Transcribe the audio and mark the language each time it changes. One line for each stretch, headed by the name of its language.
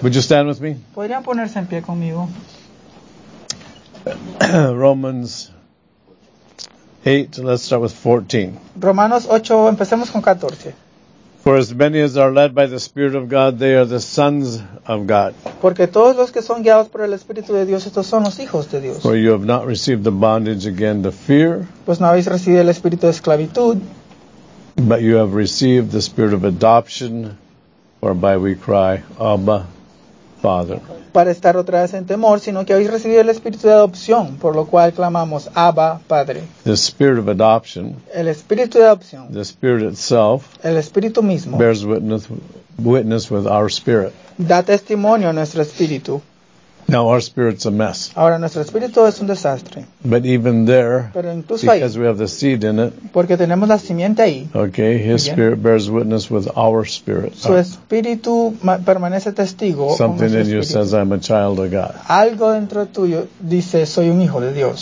English: Would you stand with me?
Spanish: ¿Podrían ponerse en pie conmigo?
English: Romans 8, let's start with 14.
Spanish: Romanos 8, empecemos con 14.
English: For as many as are led by the Spirit of God, they are the sons of God.
Spanish: Porque todos los que son guiados por el Espíritu de Dios, estos son los hijos de Dios.
English: For you have not received the bondage again to fear.
Spanish: Pues no habéis recibido el espíritu de esclavitud.
English: But you have received the Spirit of adoption, whereby we cry, Abba, Father.
Spanish: Para estar otra vez en temor, sino que habéis recibido el espíritu de adopción, por lo cual clamamos, Abba, Padre.
English: The spirit of adoption,
Spanish: el espíritu de adopción,
English: the spirit itself,
Spanish: el espíritu mismo,
English: bears witness with our spirit.
Spanish: Da testimonio a nuestro espíritu.
English: Now our spirit's a mess.
Spanish: Ahora nuestro espíritu es un desastre.
English: But even there,
Spanish: pero incluso
English: because
Spanish: ahí,
English: we have the seed in it,
Spanish: porque tenemos la simiente ahí.
English: Okay, his spirit bears witness with our spirit.
Spanish: Su espíritu permanece testigo.
English: Something
Spanish: con nuestro espíritu.
English: In you says I'm a child of God.
Spanish: Algo dentro tuyo dice soy un hijo de Dios.